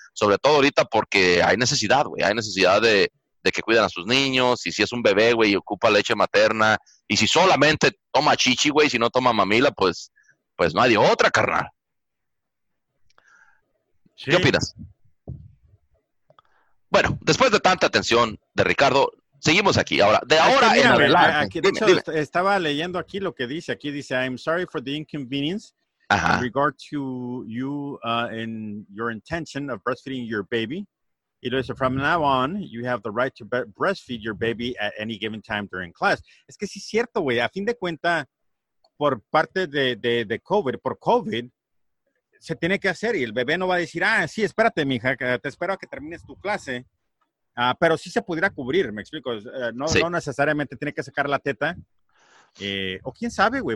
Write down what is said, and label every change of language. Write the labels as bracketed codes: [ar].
[es] Sobre todo ahorita porque hay necesidad, güey. Hay necesidad de que cuidan a sus niños, y si es un bebé, güey, y ocupa leche materna, y si solamente toma chichi, güey, si no toma mamila, pues no hay de otra, carnal. Sí. ¿Qué opinas? Bueno, después de tanta atención de Ricardo, seguimos aquí. Ahora, de ahora en adelante. De hecho, dime. Estaba leyendo aquí lo que dice. [en] Aquí dice: I'm sorry for the inconvenience. Ajá. In regard to you and your intention of breastfeeding your baby. It is from now on, you have the right to breastfeed your baby at any given time during class. [es] Es que sí es cierto, güey. A fin de cuenta, por parte de COVID, por COVID, se tiene que hacer. Y el bebé no va a decir, ah, sí, espérate, mija, te espero a que termines tu clase. Pero sí se pudiera cubrir, me explico. No necesariamente tiene que sacar la teta. O quién sabe, güey.